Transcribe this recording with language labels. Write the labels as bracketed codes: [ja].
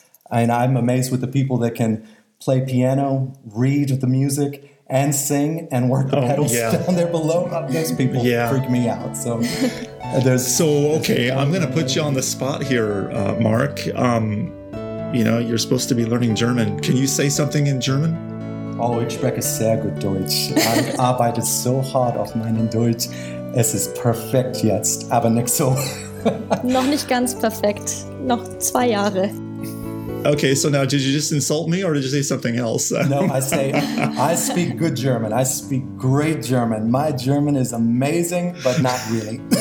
[en] And I'm amazed with the people that can play piano, read the music, and sing and work the pedals down there below. Those people freak me out. So there's I'm going to put you on the spot here, Mark. You know, you're supposed to be learning German. Can you say something in German? [de] Oh, ich spreche sehr gut Deutsch. I arbeite so hard auf meinen Deutsch. Es ist perfekt jetzt, aber nicht so. Noch nicht ganz perfekt. Noch 2 Jahre. [en] Okay, so now did you just insult me, or did you say something else? No, I say, I speak good German. I speak great German. My German is amazing, but not really.